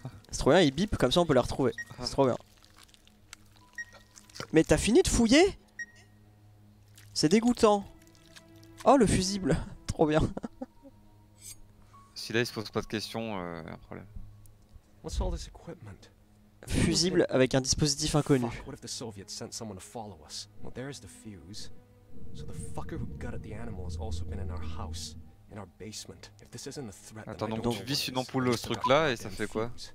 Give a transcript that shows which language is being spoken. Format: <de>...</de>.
<fr>C'est trop bien, ils bip, comme ça on peut les retrouver. C'est trop bien. Mais t'as fini de fouiller? C'est dégoûtant. Oh le fusible. Trop bien. Si là il se pose pas de questions, un problème.</fr> <en>What's all this equipment?</en> <fr>Fusible avec un dispositif inconnu.</fr> <en>Fuck, what if the Soviets sent someone to follow us? Well, there is the fuse. So the fucker who gutted the animal has also been in our house. In our basement. If this isn't a threat, then</en> <fr>attends, donc tu vises une ampoule au truc là et ça fait quoi?</fr>